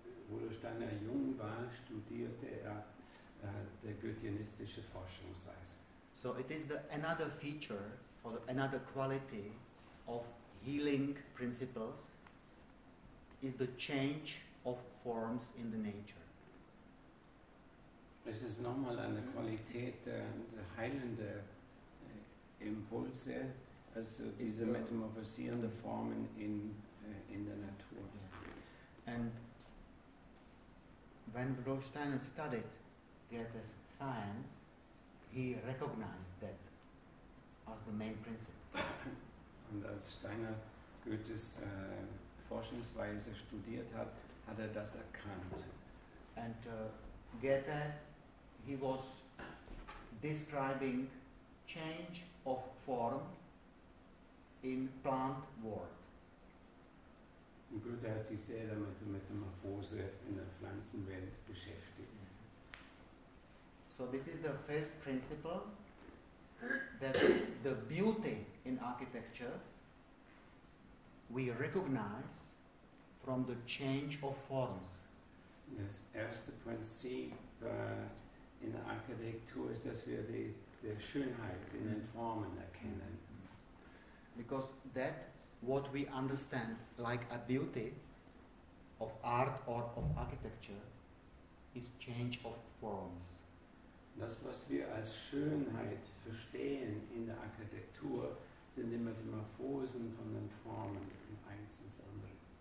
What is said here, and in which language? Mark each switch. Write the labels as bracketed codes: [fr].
[de] Rudolf Steiner jung war, studierte er der goetheanistische Forschungsweise. [en] So it is another feature or another quality of healing principles is the change of forms in the nature. [de] Es ist nochmal eine Qualität der heilende Impulse, also diese metamorphosierende Formen in der Natur. [en] And when Rudolf Steiner studied Goethe's science, he recognized that as the main principle. [de] Und als Steiner Goethes Forschungsweise studiert hat, hat das erkannt. [en] And Goethe, he was describing change of form in plant world. [de] Goethe hat sich sehr damit mit Metamorphose in der Pflanzenwelt beschäftigt. [en] So this is the first principle, that the beauty in architecture we recognize from the change of forms. [de] Das erste Prinzip in der Architektur ist, dass wir die Schönheit in den Formen erkennen. [en] Because that what we understand like a beauty of art or of architecture is change of forms. [de] Das, was wir als Schönheit verstehen in der Architektur, sind die Metamorphosen von den Formen im Eins ins Andere.